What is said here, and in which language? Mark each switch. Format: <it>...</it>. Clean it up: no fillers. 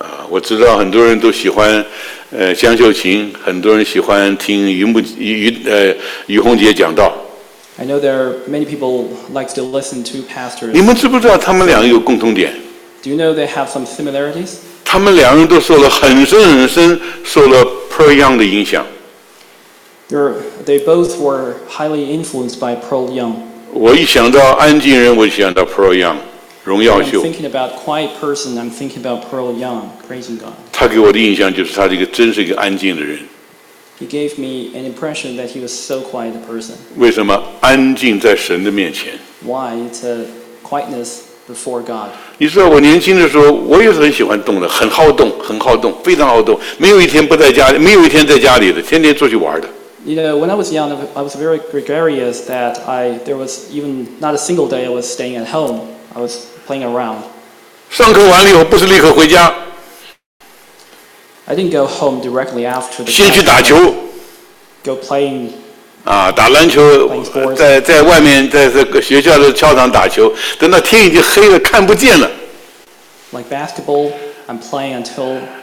<zh>我知道很多人都喜欢，江秀琴，很多人喜欢听于洪杰讲道。</zh> <en>I know there are many people like to listen to pastors.</en> <zh>你们知不知道他们两个有共同点</zh> <en>？Do you know they have some similarities?</en> <zh>他们两人都受了很深很深受了 Pearl Young 的影响。</zh> <en>They both were highly influenced by Pearl Young.</en> <zh>我一想到安静人，我就想到 Pearl Young， 荣耀秀。</zh> <en>I'm thinking about quiet person. I'm thinking about Pearl Young, praising God.</en> <zh>他给我的印象就是他这个真是一个安静的人。</zh> <en>He gave me an impression that he was so quiet a person.</en> <zh>为什么安静在神的面前</zh> <en>？Why it's a quietness before God?</en> <zh>你知道我年轻的时候，我也很喜欢动的，很好动，很好动，非常好动，没有一天不在家里，没有一天在家里的，天天出去玩的。</zh> <en>You know, when I was young, I was very gregarious. That I there was even not a single day I was staying at home. I was playing around.</en> <zh>上课完了以后，不是立刻回家。</zh> <en>I didn't go home directly after the.</en> <zh>先去打球。</zh> <en>Go playing.</en> <zh>啊，打篮球，在外面，在这个学校的操场打球。等到天已经黑了，看不见了。</zh> <en>Like basketball, I'm playing until.</en>